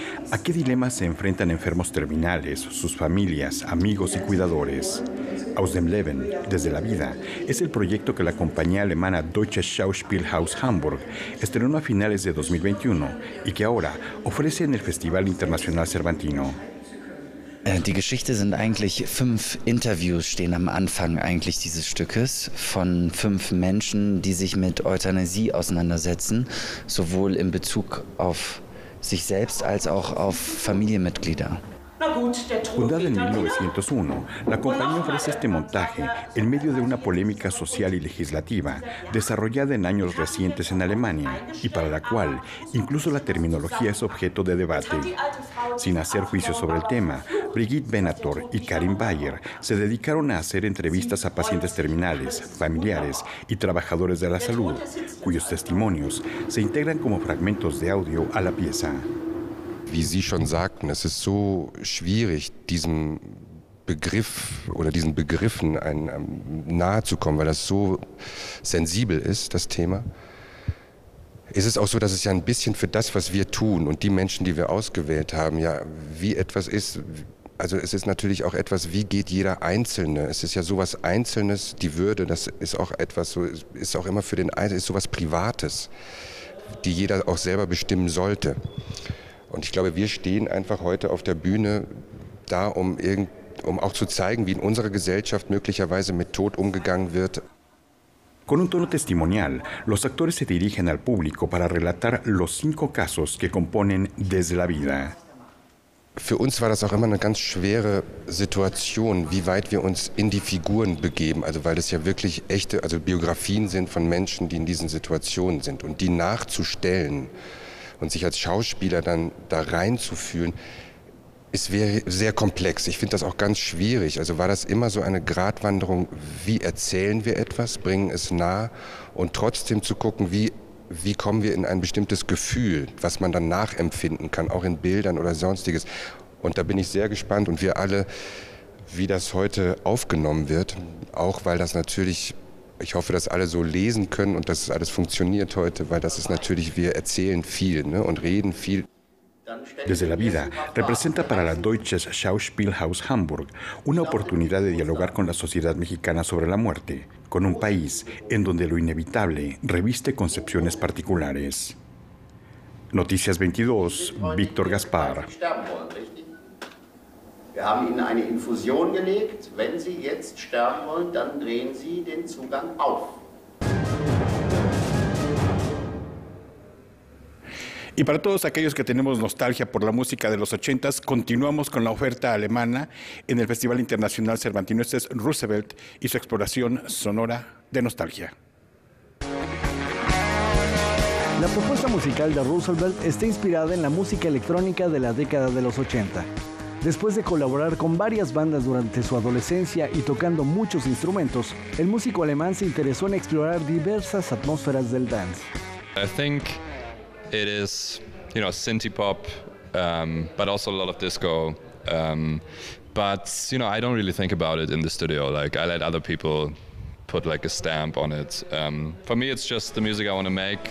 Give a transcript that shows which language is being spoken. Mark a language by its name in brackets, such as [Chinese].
[Spanish] ¿A qué dilemas se enfrentan enfermos terminales, sus familias, amigos y cuidadores? [German] aus dem Leben, [Spanish] desde la vida, es el proyecto que la compañía alemana Deutsches Schauspielhaus Hamburg estrenó a finales de 2021 y que ahora ofrece en el Festival Internacional Cervantino. [German] Die Geschichte sind eigentlich fünf Interviews stehen am Anfang eigentlich dieses Stückes von fünf Menschen, die sich mit Euthanasie auseinandersetzen, sowohl in Bezug auf sich selbst als auch auf Familienmitglieder. [Spanish] Fundada en 1901, la compañía ofrece este montaje en medio de una polémica social y legislativa desarrollada en años recientes en Alemania y para la cual incluso la terminología es objeto de debate. Sin hacer juicio sobre el tema, Brigitte Benator y Karin Bayer se dedicaron a hacer entrevistas a pacientes terminales, familiares y trabajadores de la salud, cuyos testimonios se integran como fragmentos de audio a la pieza. [German] Wie Sie schon sagten, es ist so schwierig, diesem Begriff oder diesen Begriffen nahe zu kommen, weil das so sensibel ist, das Thema. Es ist auch so, dass es ja ein bisschen für das, was wir tun und die Menschen, die wir ausgewählt haben, ja, wie etwas ist. Also es ist natürlich auch etwas, wie geht jeder Einzelne? Es ist ja sowas Einzelnes, die Würde, das ist auch etwas, so ist auch immer für den Einzelnen, ist sowas Privates, die jeder auch selber bestimmen sollte. Und ich glaube, wir stehen einfach heute auf der Bühne da, um auch zu zeigen, wie in unserer Gesellschaft möglicherweise mit Tod umgegangen wird. [Spanish] Con un tono testimonial, los actores se dirigen al público para relatar los cinco casos que componen Desde la Vida. [German] Für uns war das auch immer eine ganz schwere Situation, wie weit wir uns in die Figuren begeben, also weil das ja wirklich echte, also Biografien sind von Menschen, die in diesen Situationen sind und die nachzustellen. Und sich als Schauspieler dann da reinzufühlen, ist sehr komplex. Ich finde das auch ganz schwierig. Also war das immer so eine Gratwanderung, wie erzählen wir etwas, bringen es nah und trotzdem zu gucken, wie kommen wir in ein bestimmtes Gefühl, was man dann nachempfinden kann, auch in Bildern oder sonstiges. Und da bin ich sehr gespannt und wir alle, wie das heute aufgenommen wird, auch weil das natürlich... Ich hoffe, dass alle so lesen können und dass alles funktioniert heute, weil das ist natürlich, wir erzählen viel, ne, und reden viel. [Spanish] Desde la Vida representa para la Deutsches Schauspielhaus Hamburg una oportunidad de dialogar con la sociedad mexicana sobre la muerte, con un país en donde lo inevitable reviste concepciones particulares. Noticias 22, Víctor Gaspar. [German] Wir haben Ihnen eine Infusion gelegt. Wenn Sie jetzt sterben wollen, dann drehen Sie den Zugang auf. [Spanish] Y para todos aquellos que tenemos nostalgia por la música de los 80s, continuamos con la oferta alemana en el Festival Internacional Cervantino. Este es Roosevelt y su exploración sonora de nostalgia. La propuesta musical de Roosevelt está inspirada en la música electrónica de la década de los 80. Después de colaborar con varias bandas durante su adolescencia y tocando muchos instrumentos, el músico alemán se interesó en explorar diversas atmósferas del dance. [English] I think it is, you know, synthy pop, but also a lot of disco. But you know, I don't really think about it in the studio. Like I let other people put like a stamp on it. For me, it's just the music I want to make.